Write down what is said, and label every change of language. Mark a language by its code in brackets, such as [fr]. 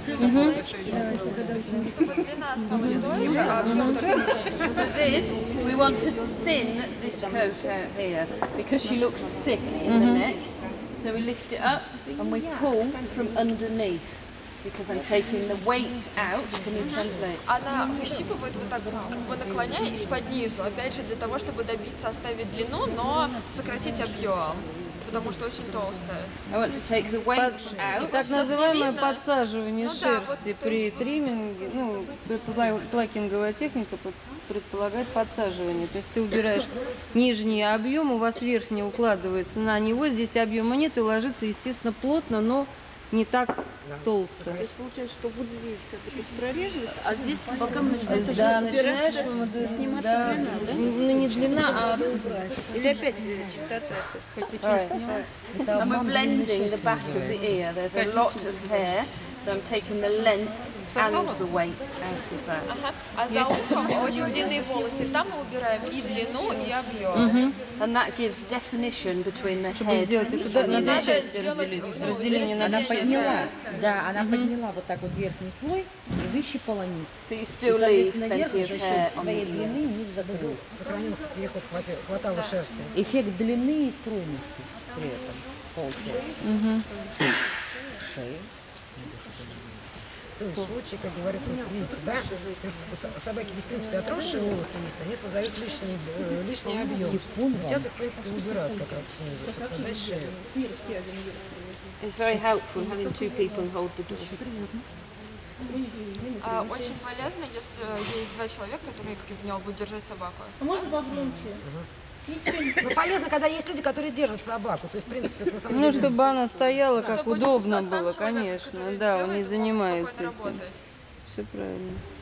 [en] This, we want to thin this coat out here because she looks thick in the neck. So we lift it up and we pull from underneath. Because I'm taking the weight out, can you translate? [ru] Она выщипывает вот так, как бы наклоняя из-под низу, опять же, для того, чтобы добиться, оставить длину, но сократить объем, потому что очень толстая. [en] I want to take the weight out. [ru] Так называемое подсаживание шерсти при тримминге, ну, плакинговая техника предполагает подсаживание. То есть ты убираешь нижний объем, у вас верхний укладывается на него, здесь объема нет и ложится, естественно, плотно, но не так толсто. То есть получается, что вот здесь как бы прореживается, а здесь по бокам начинает уже начинаешь сниматься длина, да? Ну не длина, а или опять чистота. [en] And we're blending the back of the ear. There's a lot of hair, so I'm taking the length and the weight out of that. [ru] А за ухом очень длинные волосы. Там мы убираем и длину, и объем. [en] And that gives definition between the head. [ru] Чтобы сделать это, надо сделать разделение. Она подняла, да, она подняла вот так вот верхний слой и выщипала низ. [en] But you still leave plenty of hair on the ear. [ru] Сохранился переход, хватало шерсти. Эффект длины и стройности. При этом получается. Шея. То есть в случае, как говорится, видите, да? То есть собаки, в принципе, отросшие волосы есть, они создают лишний объем. Сейчас их, в принципе, убирают как раз снизу, чтобы создать шею. [en] It's very helpful having two people hold the door. [ru] Очень полезно, если есть два человека, которые как бы будут держать собаку. А можно погромче? Ну, полезно, когда есть люди, которые держат собаку. То есть, в принципе, это на самом деле... Ну, чтобы она стояла, как чтобы удобно было, человек, конечно. Да, делает, он не занимается этим. Работать. Все правильно.